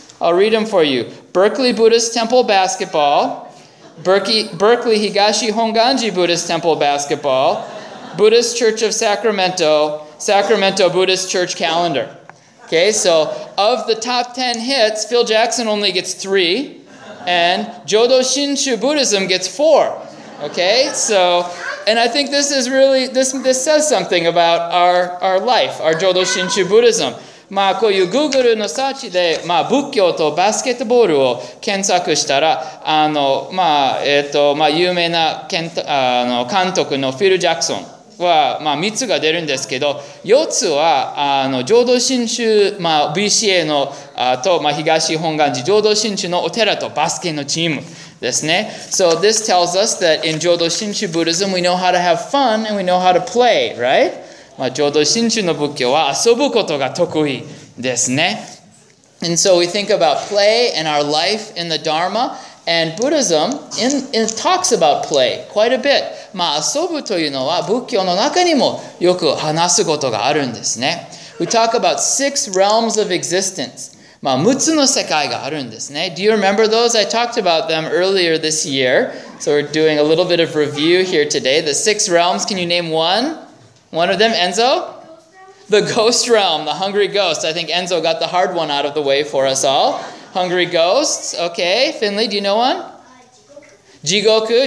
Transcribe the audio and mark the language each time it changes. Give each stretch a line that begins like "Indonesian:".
English: I'll read them for you. Berkeley Buddhist Temple Basketball, Berkeley Higashi Honganji Buddhist Temple Basketball, Buddhist Church of Sacramento, Sacramento Buddhist Church Calendar. Okay, so of the top 10 hits, Phil Jackson only gets 3. And Jodo Shinshu Buddhism gets 4. Okay, so, and I think this is really, this says something about our life, our Jodo Shinshu Buddhism.
Japanese: まあこういう Google のサーチで、まあ仏教とバスケットボールを検索したら、あの、まあ、まあ有名な検討、あの、監督のフィル・ジャクソンは、まあ3つが出るんですけど、4つは、あの、浄土真宗、まあ BCA の、あと、まあ東本願寺浄土真宗のお寺とバスケのチームですね。
English: So this tells us that in 浄土真宗 Buddhism, we know how to have fun and we know how to play, right?
Japanese: まあ、浄土真宗の仏教は遊ぶことが得意ですね。
English: And so we think about play and our life in the Dharma, and Buddhism in talks about play quite a bit.
Japanese: まあ、遊ぶというのは仏教の中にもよく話すことがあるんですね。
English: We talk about 6 realms of existence.
Japanese: まあ、6つの世界があるんですね。
English: Do you remember those? I talked about them earlier this year. So we're doing a little bit of review here today. The 6 realms, can you name one? One of them, Enzo? The ghost realm, the hungry ghost. I think Enzo got the hard one out of the way for us all. Hungry ghosts, okay. Finley, do you know one? Jigoku.